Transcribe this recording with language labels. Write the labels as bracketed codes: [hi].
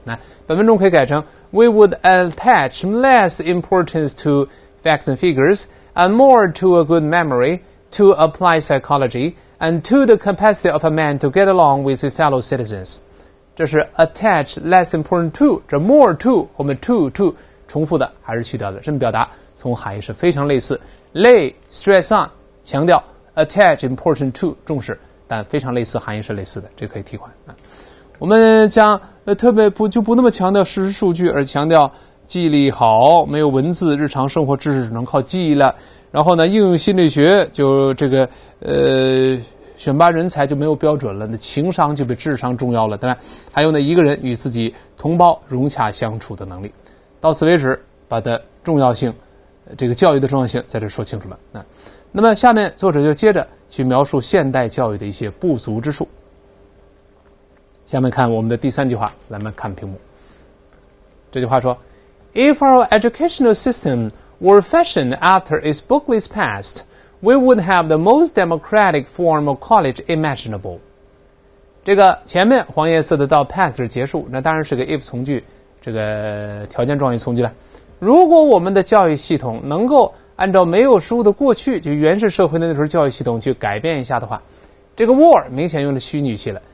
[zh] 那本文中可以改成 [en] We would attach less importance to facts and figures and more to a good memory, to apply psychology, and to the capacity of a man to get along with his fellow citizens. [zh] 这是 [en] attach less important to， 这 more to， [zh] 后面 [en] to。 [zh] 重复的还是去掉的，这么表达从含义是非常类似。 [en] lay stress on [zh] 强调， [en] attach important to [zh] 重视，但非常类似，含义是类似的，这可以替换。我们将特别不就不那么强调事实数据，而强调记忆力好，没有文字，日常生活知识只能靠记忆了。然后呢，应用心理学就这个选拔人才就没有标准了，那情商就比智商重要了，对吧？还有呢，一个人与自己同胞融洽相处的能力。到此为止，把的重要性，这个教育的重要性在这说清楚了。那么下面作者就接着去描述现代教育的一些不足之处。下面看我们的第三句话，来们看屏幕。这句话说 [en] ,If our educational system were fashioned after its bookless past, we would have the most democratic form of college imaginable. [zh] 这个前面黄颜色的到 past 结束，那当然是个 if 从句，这个条件状语从句了。如果我们的教育系统能够按照没有书的过去，就原始社会的那时候教育系统去改变一下的话，这个 were 明显用了虚拟器了。